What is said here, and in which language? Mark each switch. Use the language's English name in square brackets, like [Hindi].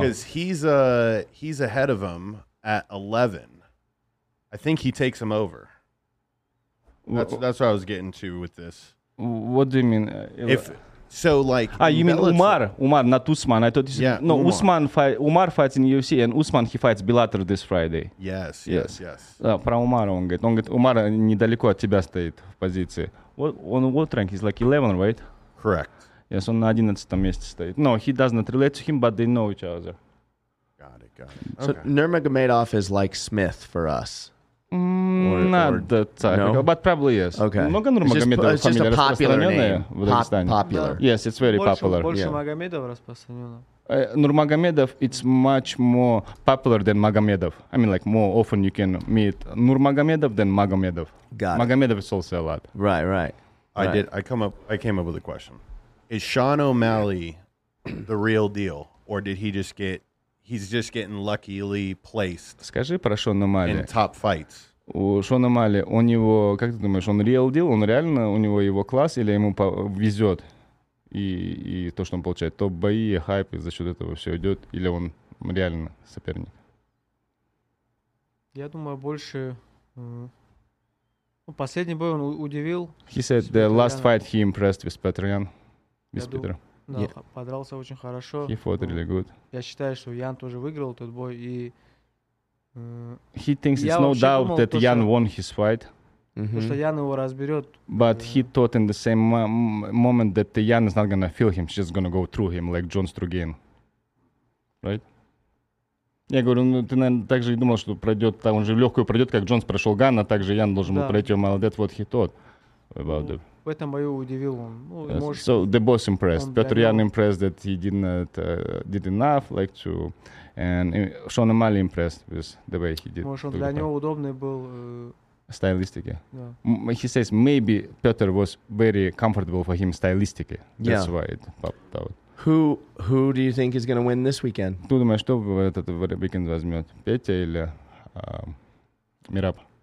[English] Cuz he's ahead of him at 11. I think he takes him over. That's what I was getting to with this. What do you mean? You mean Umar, not Usman. I thought you said, yeah, no, Umar fights in UFC, and Usman, he fights Bellator this Friday. Yes. [Russian] Про Умара он говорит. Он говорит, Умар недалеко от тебя стоит в позиции. Он [English] what rank? He's like 11, right? Correct. Yes, [Russian] он на 11-м месте стоит. [English] No, he does not relate to him, but they know each other. Got it. So okay. Nurmagomedov is like Smith for us. But probably yes. Okay. [Russian] Много Нурмагомедова фамилия распространенная в Дагестане. [English] Popular. Yes, it's very popular. [Russian] Больше Магомедов распространено. [English] Нурмагомедов, it's much more popular than Магомедов. I mean, like, more often you can meet Нурмагомедов than Магомедов. Got it. Магомедов is also a lot. Right. I came up with a question. Is Sean O'Malley the real deal, or did he just get... He's just getting luckily placed. [Russian] Скажи про Шона Малли. [English] In top fights. [Russian] У Шона Малли, у него, как ты думаешь, он [English] real deal? [Russian] Он реально, у него его класс или ему везет? И то, что он получает, топ бои, хайп, и за счет этого все идет? Или он реально соперник? Я думаю, больше... Ну, последний бой он удивил. [English] He said the last fight he impressed with Petr Yan. With Peter. [Russian] Да, yeah. Подрался очень хорошо. [English] He fought really good. [Russian] Я считаю, что Ян тоже выиграл тот бой. И, [English] he thinks it's no doubt that Ян won his fight. Mm-hmm. [Russian] Потому что Ян его разберет. [English] But he thought in the same moment that Ян is not going to feel him. She's going to go through him like John Strugain. Right? [Russian] Я говорю, ну ты, наверное, так же и думал, что пройдет, там он же легкую пройдет, как Джонс прошел Ган, а также Ян должен был пройти. [English] Well, that's what he thought about it. [Russian] В этом бою удивил он. Ну, yes. Может, [English] so the boss impressed. Петр Ян impressed that he did enough, like to, and Sean O'Malley impressed with the way he did. [Russian] Может, он для него удобный был. Стилистики. [English] Yeah. He says maybe Peter was very comfortable for him stylistically. That's why it popped out. Who do you think is going to win this weekend? [Russian] Ты думаешь, что в этот weekend возьмет Петя или Мираб?